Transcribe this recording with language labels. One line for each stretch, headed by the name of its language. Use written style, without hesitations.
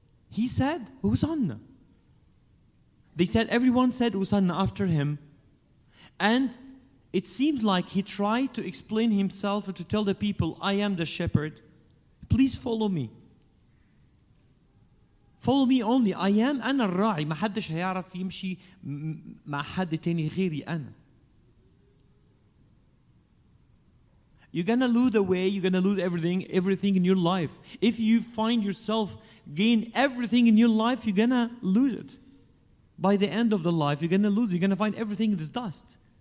English: He said, "Hosanna." They said, everyone said "Hosanna" after him. And it seems like he tried to explain himself to tell the people, "I am the shepherd. Please follow me. Follow me only. I am
Arabic: أنا الراعي. ما حدش هيعرف يمشي مع حد تاني غيري أنا."
English: You're going to lose the way. You're going to lose everything in your life. If you find yourself gain everything in your life, you're going to lose it. By the end of the life, you're going to lose it. You're going to find everything is dust.